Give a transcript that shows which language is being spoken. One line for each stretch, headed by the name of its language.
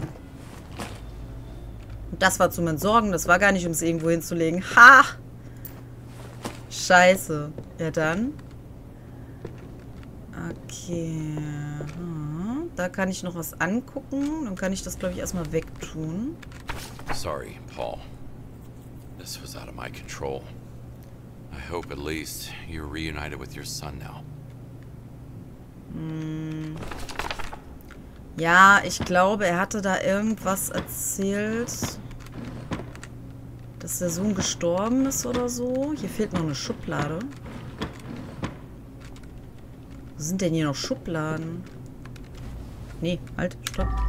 German: Und das war zum Entsorgen. Das war gar nicht, um es irgendwo hinzulegen. Ha! Scheiße. Ja, dann. Okay. Da kann ich noch was angucken. Dann kann ich das, glaube ich, erstmal wegtun. Sorry, Paul.
English: This was out of my control. I hope at least you're reunited with your son now.
German: Ja, ich glaube, er hatte da irgendwas erzählt, dass der Sohn gestorben ist oder so. Hier fehlt noch eine Schublade. Wo sind denn hier noch Schubladen? Nee, halt, stopp.